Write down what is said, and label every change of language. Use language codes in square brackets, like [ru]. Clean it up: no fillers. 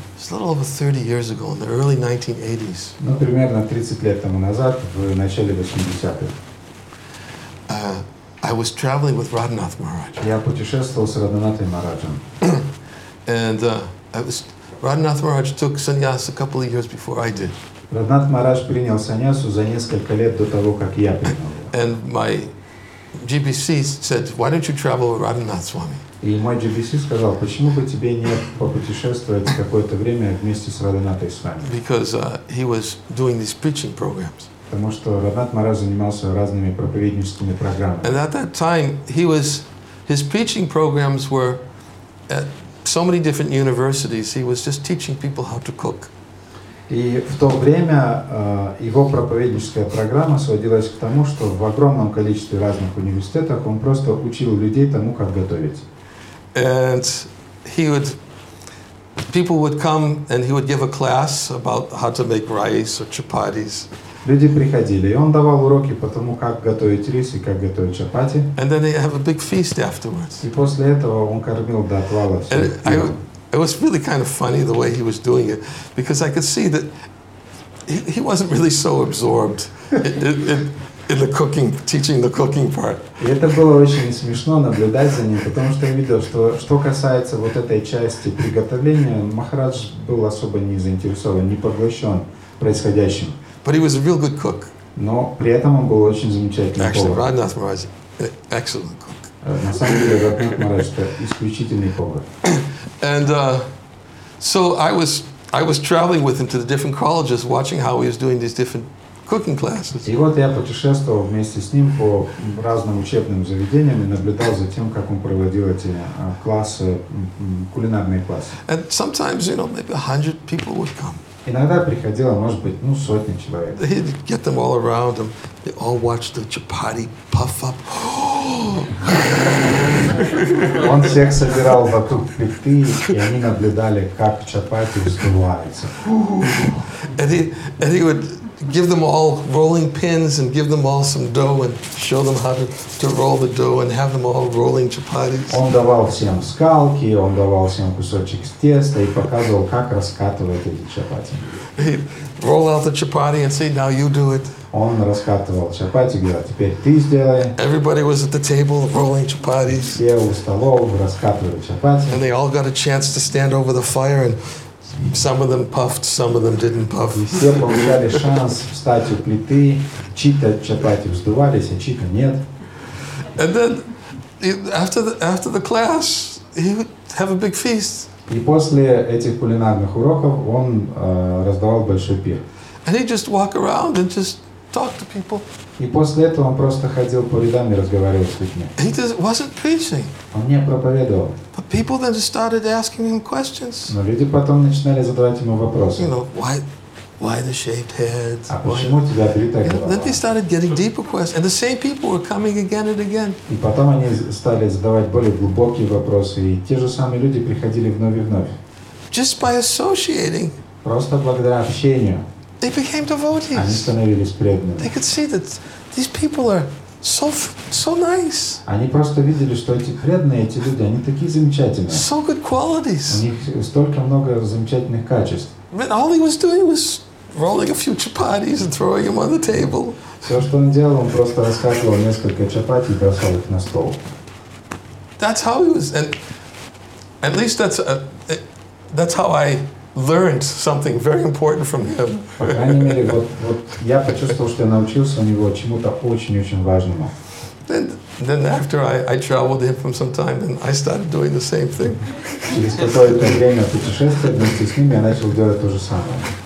[en] It's a little over 30 years ago, in the early 1980s. [ru] Ну, примерно 30 лет тому назад, в начале 80-х. [en] I was traveling with Radhanath Maharaj. [ru] Я путешествовал с Радханатой Махараджем. [en] And Radhanath Maharaj took sannyas a couple of years before I did. [ru] Радханат Махарадж принял саньясу за несколько лет до того, как я принял. [en] And my GBC said, why don't you travel with Radhanath Swami? [ru] И мой GBC сказал, почему бы тебе не попутешествовать какое-то время вместе с Радханатой Свами? [en] Because he was doing these preaching programs. [ru] Потому что Радханат Махарадж занимался разными проповедническими программами. [en] And at that time, his preaching programs were at so many different universities. He was just teaching people how to cook. [ru] И в то время его проповедническая программа сводилась к тому, что в огромном количестве разных университетов он просто учил людей тому, как готовить. [en] And people would come and he would give a class about how to make rice or chapatis. [ru] Люди приходили, и он давал уроки по тому, как готовить рис и как готовить чапати. [en] And then they have a big feast afterwards. [ru] И после этого он кормил до отвала всех. [en] And it was really kind of funny the way he was doing it, because I could see that he wasn't really so absorbed in the cooking, teaching the cooking part. [ru] И это было очень смешно наблюдать за ним, потому что я видел, что касается вот этой части приготовления, Махарадж был особо не заинтересован, не поглощен происходящим. [en] But he was a real good cook. [ru] Но при этом он был очень замечательный повар. [en] Actually, Radhanath Maharaj, excellent cook. [ru] На самом деле, Радханат Махарадж это исключительный повар. [en] And so I was traveling with him to the different colleges, watching how he was doing these different cooking classes. [ru] И вот я путешествовал вместе с ним по разным учебным заведениям и наблюдал за тем, как он проводил эти классы, кулинарные классы. [en] And sometimes, you know, maybe 100 people would come. [ru] Иногда приходило, может быть, ну, сотни человек. [en] He'd get them all around him. They all watched the chapati puff up. [ru] Он всех собирал вокруг плиты, и они наблюдали, как чапати вздуваются. [en] And he would give them all rolling pins and give them all some dough and show them how to roll the dough and have them all rolling chapatis. [ru] Он давал всем скалки, он давал всем кусочек теста и показывал, как раскатывать эти чапати. [en] Roll out the chapati and say, now you do it. [ru] Он раскатывал чапати, говорил, теперь ты сделай. [en] Everybody was at the table rolling chapatis. [ru] Все у столов раскатывали чапати. [en] And they all got a chance to stand over the fire and some of them puffed, some of them didn't puff. [ru] Все получали шанс встать у плиты, чьи-то чапати вздувались, а чьи-то нет. [en] And then after the class, he would have a big feast. [ru] И после этих кулинарных уроков он раздавал большой пир. [en] And he'd just walk around and just talk to people. [ru] И после этого он просто ходил по рядам и разговаривал с людьми. [en] He just wasn't preaching. [ru] Он не проповедовал. [en] But people then started asking him questions. [ru] Но люди потом начинали задавать ему вопросы. [en] You know, why the shaved heads? [ru] А почему у тебя бритая голова? [en] And then they started getting deeper questions, and the same people were coming again and again. [ru] И потом они стали задавать более глубокие вопросы, и те же самые люди приходили вновь и вновь. [en] Just by associating. [ru] Просто благодаря общению. [en] They became devotees. [ru] Они становились преданными. [en] They could see that these people are so nice. [ru] Они просто видели, что эти преданные, эти люди, они такие замечательные. [en] So good qualities. [ru] У них столько много замечательных качеств. [en] But all he was doing was rolling a few chapatis and throwing them on the table. [ru] Все, что он делал, он просто раскатывал несколько чапати и бросал их на стол. [en] That's how he was, and at least that's how I learned something very important from him. [ru] По крайней мере, вот я почувствовал, что я научился у него чему-то очень-очень важному. [en] Then after I traveled him for some time, then I started doing the same thing. [ru] Через какое-то время путешествия вместе с ним я начал делать то же самое.